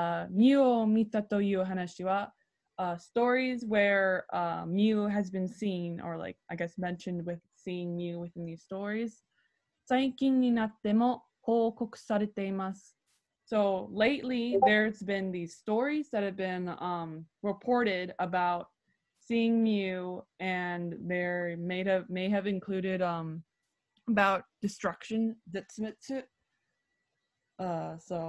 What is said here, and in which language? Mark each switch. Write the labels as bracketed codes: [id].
[ja] Miu o mita という話は [en] stories where Miu has been seen, or like I guess mentioned with seeing Miu within these stories. [ja] 最近になっても報告されています。 [en] So lately, there's been these stories that have been reported about seeing Miu, and they're may have included about destruction, zetsumetsu. Yeah.